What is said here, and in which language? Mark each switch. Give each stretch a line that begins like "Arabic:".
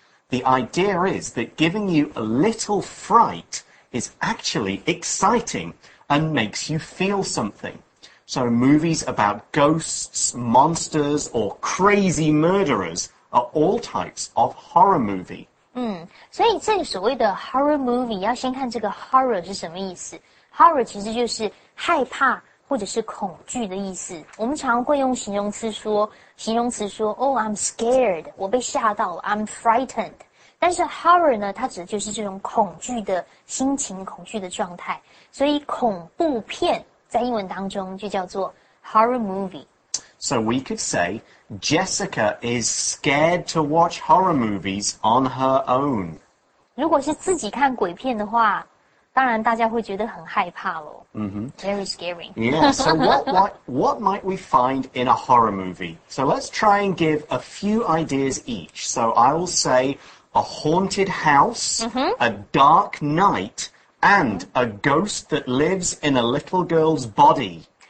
English: The idea is that giving you a little fright is actually exciting and makes you feel something. So movies about ghosts, monsters, or crazy murderers are all types of horror movie.
Chinese: 嗯，所以这个所谓的 horror movie 要先看这个 horror 是什么意思。 horror 其实就是害怕或者是恐惧的意思。我们常会用形容词说
English: oh I'm scared,
Chinese: 我被吓到了
English: I'm frightened,
Chinese: 但是 horror 呢，它指的就是这种恐惧的心情，恐惧的状态。所以恐怖片在英文当中就叫做 horror movie。
English: So we could say, Jessica is scared to watch horror movies on her own.
Chinese: 如果是自己看鬼片的话，当然大家会觉得很害怕咯。 Mm-hmm.
English: Very scary. Yeah, so what might we find in a horror movie? So let's try and give a few ideas each. So I will say a haunted house, mm-hmm. a dark night, and a ghost that lives in a little girl's body.